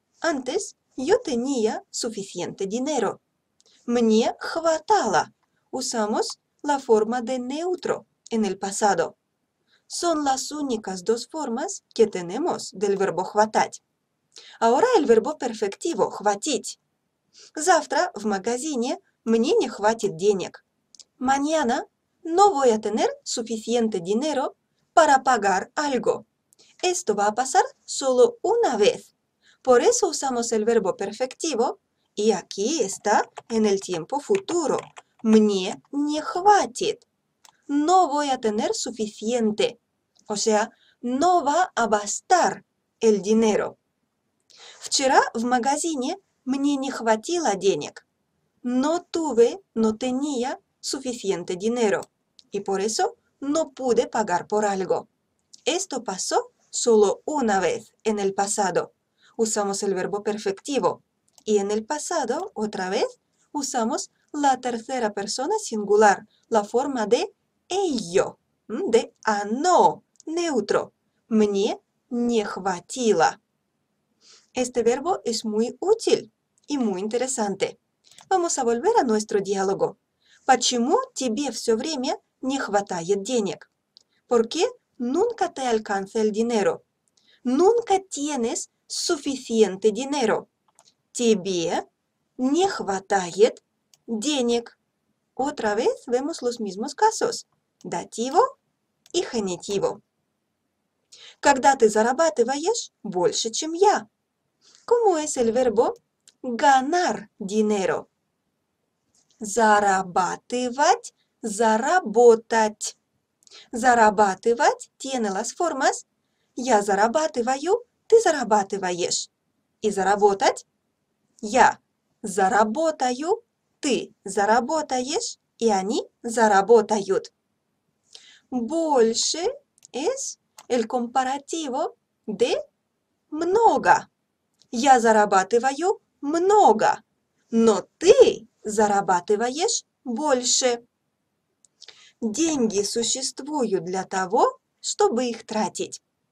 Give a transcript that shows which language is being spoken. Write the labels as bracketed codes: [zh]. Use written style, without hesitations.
[es] Antes yo tenía suficiente dinero. [ru] Мне хватало. [es] Usamos la forma de neutro en el pasado. Son las únicas dos formas que tenemos del verbo хватать. Ahora el verbo perfectivo, хватить. [ru] Завтра в магазине мне не хватит денег. [es] Mañana no voy a tener suficiente dinero para pagar algo. Esto va a pasar solo una vez. Por eso usamos el verbo perfectivo y aquí está en el tiempo futuro. [ru] Мне не хватит. [es] No voy a tener suficiente. O sea, no va a bastar el dinero. [ru] Вчера в магазине мне не хватило денег. [es] No tuve, no tenía suficiente dinero. Y por eso no pude pagar por algo. Esto pasó solo una vez en el pasado. Usamos el verbo perfectivo. Y en el pasado, otra vez, usamos la tercera persona singular, la forma de ello, de a no, neutro. [ru] Мне не хватило. [es] Este verbo es muy útil y muy interesante. Vamos a volver a nuestro diálogo. [ru] ¿Почему тебе все время не хватает денег? [es] ¿Por qué nunca te alcanza el dinero? Nunca tienes suficiente dinero. [ru] Тебе не хватает денег. [es] Otra vez vemos los mismos casos. Дативо и генитиво. [ru] Когда ты зарабатываешь больше, чем я? [es] ¿Cómo es el verbo ganar dinero? [ru] Зарабатывать, заработать. Зарабатывать [es] tiene las formas [ru] «я зарабатываю», «ты зарабатываешь». И заработать «я заработаю», «ты заработаешь» и «они заработают». [es] Больше es el comparativo de много. [ru] Я зарабатываю много, но ты зарабатываешь больше. Деньги существуют для того, чтобы их тратить.